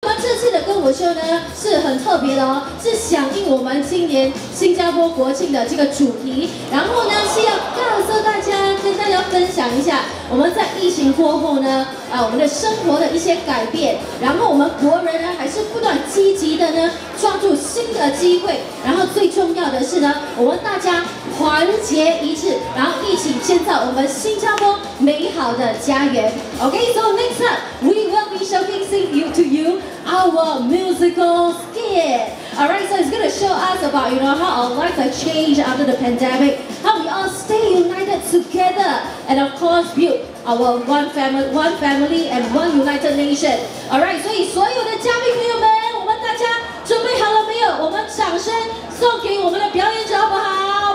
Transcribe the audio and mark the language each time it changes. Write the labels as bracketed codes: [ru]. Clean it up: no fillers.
[zh] 口秀呢是很特别的哦，是响应我们今年新加坡国庆的这个主题，然后呢是要告诉大家，跟大家分享一下我们在疫情过后呢我们的生活的一些改变，然后我们国人呢还是不断积极的呢抓住新的机会，然后最重要的是呢我们大家团结一致，然后一起建造我们新加坡美好的家园。 [en] OK, so next up we will be showcasing you to you our musical skit. Alright, so it's gonna show us about, you know, how our lives have changed after the pandemic, how we all stay united together, and of course build our one family and one united nation. [zh] Alright, 所以所有的嘉宾朋友们，我们大家准备好了没有？我们掌声送给我们的表演者，好不好？